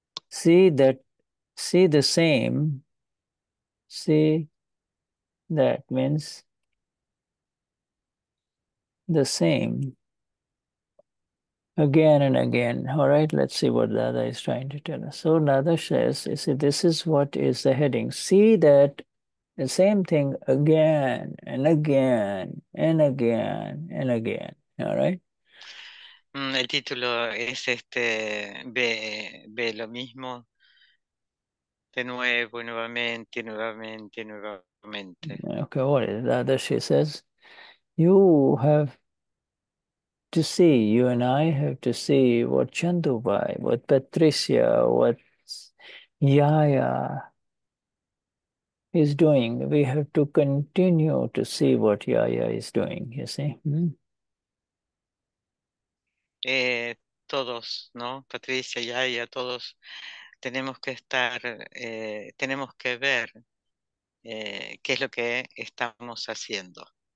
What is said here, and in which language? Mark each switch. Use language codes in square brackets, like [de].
[en] See that, see the same. See that means the same again and again. All right, let's see what Dada is trying to tell us. So Dada says, you see, this is what is the heading. See that. The same thing again and again and again and again. All right. [es] El título es este, ve lo mismo de nuevo, nuevamente, nuevamente, nuevamente. [en] Okay, what is that? That she says, you have to see, you and I have to see what Chandubai, what Patricia, what Yaya is doing. We have to continue to see what Yaya is doing, you see. [es] Todos, ¿no? Patricia y Aya, todos tenemos que estar, tenemos que ver qué es lo que estamos haciendo.